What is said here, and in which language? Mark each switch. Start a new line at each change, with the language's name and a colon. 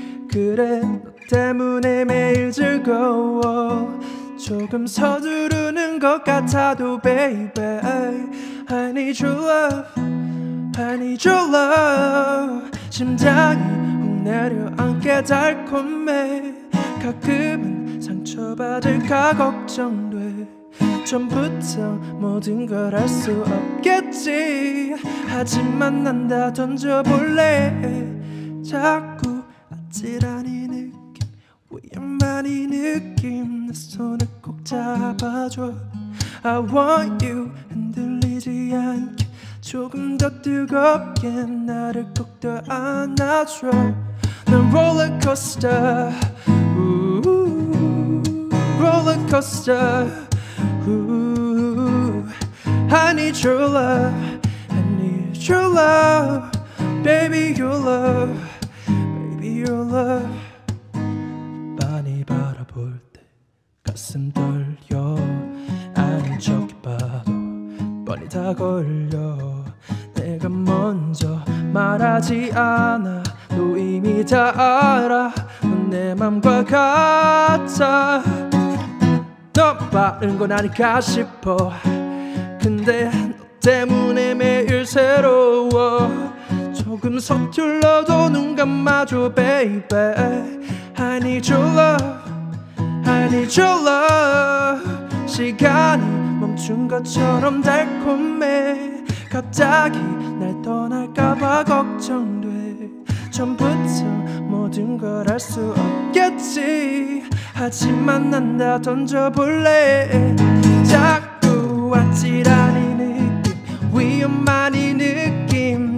Korean: 그래, 너 때문에 매일 즐거워. 조금 서두르는 것 같아도
English: baby, I need your love, I need your love.
Korean: 심장이 훅 내려앉게 달콤해. 가끔은 상처받을까 걱정돼. 처음부터 모든 걸 알 수 없겠지. 하지만 난 다 던져볼래. 자꾸 아찔한 이 느낌, 위험한 이 느낌. 내 손을 꼭 잡아줘.
English: I want you.
Korean: 흔들리지 않게 조금 더 뜨겁게 나를 꼭 더 안아줘. 넌 롤러코스터,
English: ooh, rollercoaster, ooh. I need your love, I need your love, baby your love, baby your love.
Korean: 많이 바라볼 때 가슴 떨려. 아닌 척해 봐도 뻔히 다 걸려. 내가 먼저 말하지 않아. 너 이미 다 알아. 넌 내 맘과 같아. 너 빠른 건 아닐까 싶어. 근데 너 때문에 매일 새로워. 조금 서툴러도 눈 감아줘
English: baby. I need your love, I need your love.
Korean: 시간이 멈춘 것처럼 달콤해. 갑자기 날 떠날까봐 걱정돼. 처음부터 모든 걸 알 수 없겠지. 하지만 난 다 던져볼래. 자꾸 아찔한 이 느낌, 위험한 이 느낌.